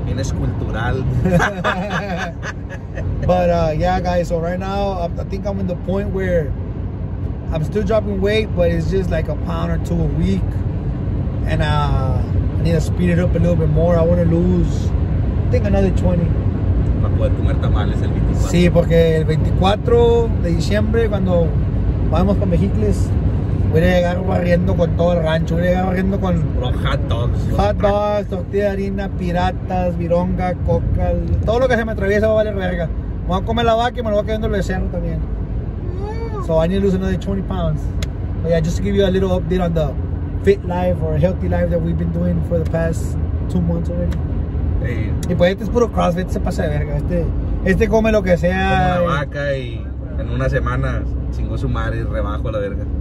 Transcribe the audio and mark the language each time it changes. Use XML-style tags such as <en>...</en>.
<en>But yeah, guys, so right now I think I'm in the point where I'm still dropping weight, but it's just like a pound or two a week, and I need to speed it up a little bit more. I want to lose, I think, another 20</en> <es>para poder comer tamales el 24. Sí, porque el 24 de diciembre, cuando vamos con Mexicles, voy a llegar barriendo con todo el rancho. Voy a llegar barriendo con</es> <en>hot dogs,</en> <es>tortilla de harina, piratas, vironga, coca, todo lo que se me atraviesa va a valer verga. Me voy a comer la vaca y me lo voy a quedar en el becerro también.</es> <en>So I need to lose another 20 pounds. But yeah, just to give you a little update on the fit life or healthy life that we've been doing for the past 2 months already. Hey.</en> <es>Y pues este es puro CrossFit, se pasa de verga. Este come lo que sea. Como una vaca y en unas semanas chingó su madre y rebajo la verga.</es>